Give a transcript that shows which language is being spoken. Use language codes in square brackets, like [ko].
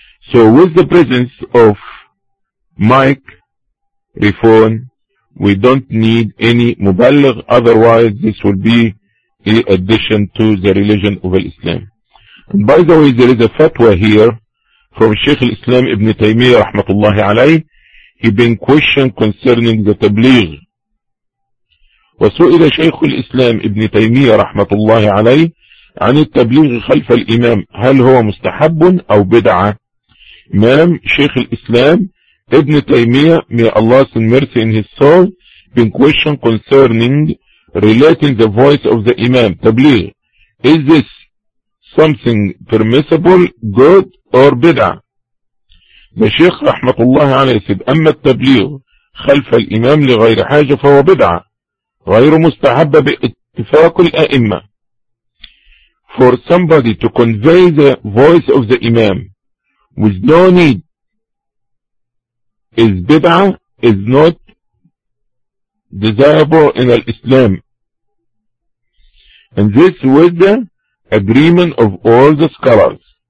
[en] So with the presence of mic, refund, we don't need any muballigh, otherwise this will be in addition to the religion of Islam. And by the way, there is a fatwa here from Sheikh al-Islam Ibn Taymiyyah rahmatullahi alayhi. He been questioned concerning the tabligh. [ar] وسئل شيخ الإسلام ابن تيمية رحمة الله عليه عن التبليغ خلف الإمام هل هو مستحب أو بدعة؟ إمام شيخ الإسلام ابن تيمية, [en] may Allah's mercy in his soul, been questioned concerning relating the voice of the Imam, tabligh. Is this something permissible, good or [ar] بدعة؟ [en] The Sheikh [ar] رحمة الله عليه [en] said, [ar] أما التبليغ خلف الإمام لغير حاجة فهو بدعة. غير مستحب باتفاق الأئمة. [en] For somebody to convey the voice of the Imam with no need is bid'ah, is not desirable in Islam. And this with the agreement of all the scholars.